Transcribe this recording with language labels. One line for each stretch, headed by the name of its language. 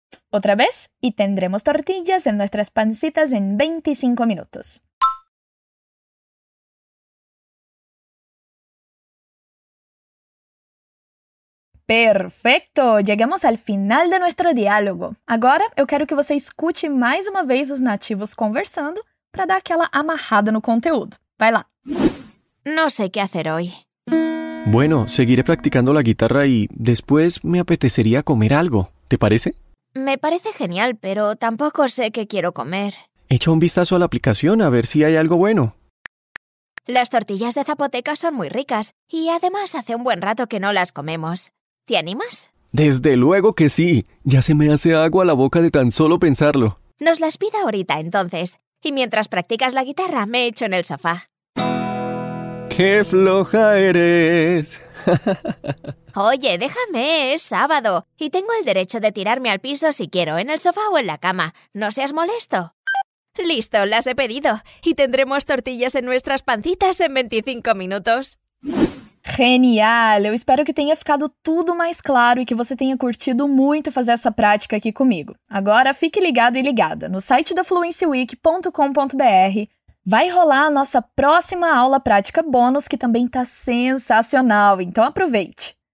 Portuguese: Outra vez.
Spanish: E tendremos tortillas en nuestras pancitas en 25 minutos. Perfecto! Llegamos al final de nuestro diálogo.
Portuguese: Agora, eu quero que você escute mais uma vez os nativos conversando para dar aquela amarrada no conteúdo. Vai lá.
Spanish: No sé qué hacer hoy. Bueno, seguiré practicando la guitarra y después me apetecería comer algo. ¿Te parece? Me parece genial, pero tampoco sé qué quiero comer. Echa un vistazo a la aplicación a ver si hay algo bueno. Las tortillas de Zapoteca son muy ricas y además hace un buen rato que no las comemos. ¿Te animas? Desde luego que sí. Ya se me hace agua la boca de tan solo pensarlo. Nos las pido ahorita, entonces. Y mientras practicas la guitarra, me echo en el sofá. ¡Qué floja eres! Oye, déjame, es sábado. Y tengo el derecho de tirarme al piso si quiero, en el sofá o en la cama. No seas molesto. Listo, las he pedido. Y tendremos tortillas en nuestras pancitas en 25 minutos. Genial!
Portuguese: Eu espero que tenha ficado tudo mais claro e que você tenha curtido muito fazer essa prática aqui comigo. Agora, fique ligado e ligada. No site da fluencyweek.com.br vai rolar a nossa próxima aula prática bônus, que também está sensacional. Então, aproveite!